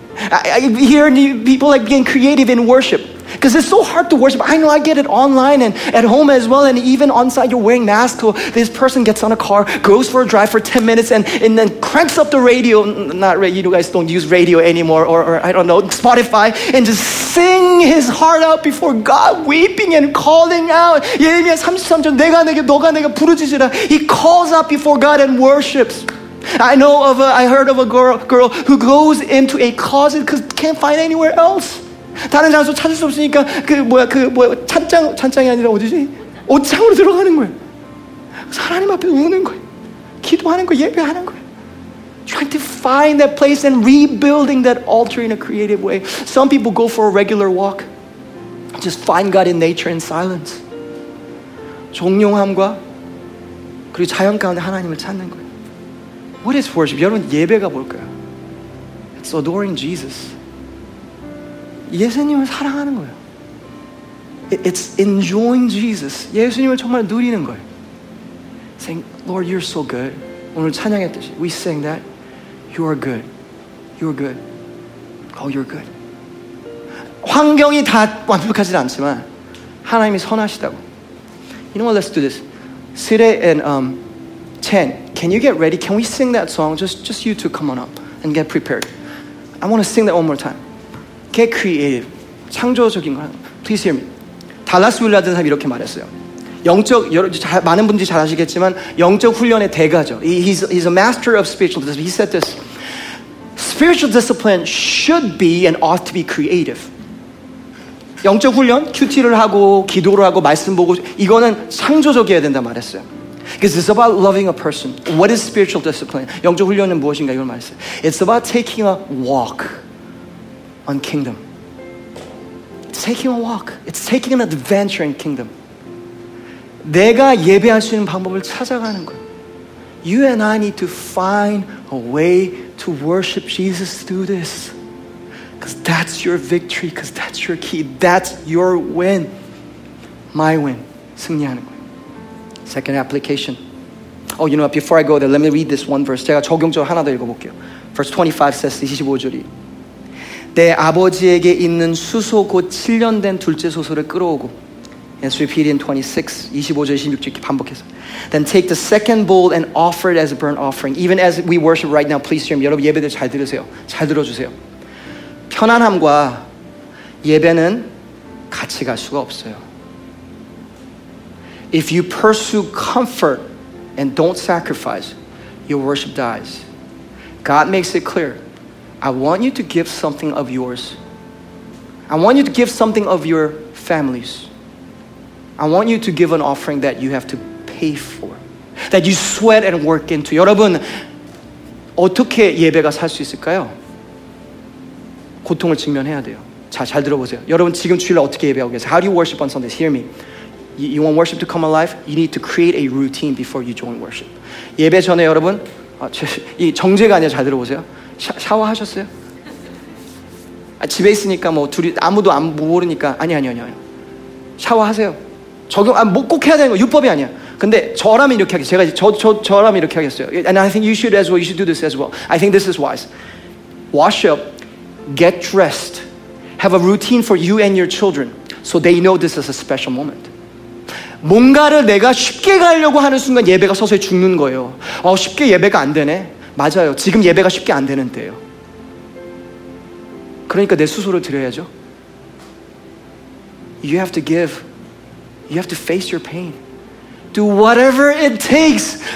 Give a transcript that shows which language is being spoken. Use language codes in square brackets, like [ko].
[en] I hear people like being creative in worship because it's so hard to worship. I know I get it online and at home as well, and even on site you're wearing masks. So this person gets on a car, goes for a drive for 10 minutes and then cranks up the radio. Not radio, you guys don't use radio anymore, or I don't know, Spotify, and just sing his heart out before God, weeping and calling out. Yeremiah 33:3, [ko] 내가 내게 너가 내게 부르짖으라. [en] He calls out before God and worships. I heard of a girl who goes into a closet because can't find anywhere else. [ko] 다른 장소 찾을 수 없으니까 찬장이 아니라 어디지? 옷장으로 들어가는 거예요. 하나님 앞에 우는 거예요. 기도하는 거예요. 예배하는 거예요. [en] Trying to find that place and rebuilding that altar in a creative way. Some people go for a regular walk. Just find God in nature and silence. [ko] 종용함과 그리고 자연 가운데 하나님을 찾는 거예요. [en] What is worship? [ko] 여러분 예배가 뭘까요? [en] It's adoring Jesus. [ko] 예수님을 사랑하는 거예요. [en] It's enjoying Jesus. [ko] 예수님을 정말 누리는 거예요. [en] Saying, Lord, you're so good. [ko] 오늘 찬양했듯이. [en] We sang that. You are good. You are good. Oh, you're good. [ko] 환경이 다 완벽하진 않지만 하나님이 선하시다고. [en] You know what? Let's do this. Sit and Chen, can you get ready? Can we sing that song? Just you two come on up and get prepared. I want to sing that one more time. Get creative. [ko] 창조적인 거. [en] Please hear me. [ko] 달라스 윌라드는 사람이 이렇게 말했어요. 영적, 많은 분들이 잘 아시겠지만 영적 훈련의 대가죠. [en] He's a master of spiritual discipline. He said this. Spiritual discipline should be and ought to be creative. [ko] 영적 훈련, QT를 하고 기도를 하고 말씀 보고 이거는 창조적이어야 된다 말했어요. [en] Because it's about loving a person. What is spiritual discipline? [ko] 영적 훈련은 무엇인가? 이걸 말했어요. [en] It's about taking a walk on kingdom. It's taking a walk. It's taking an adventure in kingdom. [ko] 내가 예배할 수 있는 방법을 찾아가는 거예요. [en] You and I need to find a way to worship Jesus through this. Because that's your victory. Because that's your key. That's your win. My win. [ko] 승리하는 거예요. [en] Second application. Oh, you know what? Before I go there, let me read this one verse. [ko] 제가 적용적으로 하나 더 읽어볼게요. [en] Verse 25 says, [ko] 25절이 내 아버지에게 있는 수소 곧 7년 된 둘째 소소를 끌어오고 [en] Let's repeat in 26, [ko] 25절, 26절 이렇게 반복해서 [en] Then take the second bowl and offer it as a burnt offering. Even as we worship right now, please hear me. [ko] 여러분 예배들 잘 들으세요. 잘 들어주세요. 편안함과 예배는 같이 갈 수가 없어요. [en] If you pursue comfort and don't sacrifice, your worship dies. God makes it clear. I want you to give something of yours. I want you to give something of your families. I want you to give an offering that you have to pay for, that you sweat and work into. [ko] 여러분, 어떻게 예배가 살 수 있을까요? 고통을 직면해야 돼요. 자, 잘 들어보세요. 여러분, 지금 주일 어떻게 예배하고 계세요? [en] How do you worship on Sundays? Hear me. You want worship to come alive? You need to create a routine before you join worship. [ko] 예배 전에 여러분, 이 정제가 아니야. 잘 들어보세요. 샤워하셨어요? 아, 집에 있으니까 뭐 둘이 아무도 안 모르니까 아니. 샤워하세요. 적용 아, 뭐 꼭 해야 되는 거 율법이 아니야. 근데 저라면 이렇게 하겠어요. 제가 저라면 이렇게 하겠어요. [en] And I think you should as well. You should do this as well. I think this is wise. Wash up, get dressed, have a routine for you and your children, so they know this is a special moment. [ko] 뭔가를 내가 쉽게 가려고 하는 순간 예배가 서서히 죽는 거예요. 쉽게 예배가 안 되네. 맞아요. 지금 예배가 쉽게 안 되는 때예요. 그러니까 내 스스로 드려야죠. [en] You have to give. You have to face your pain. Do whatever it takes.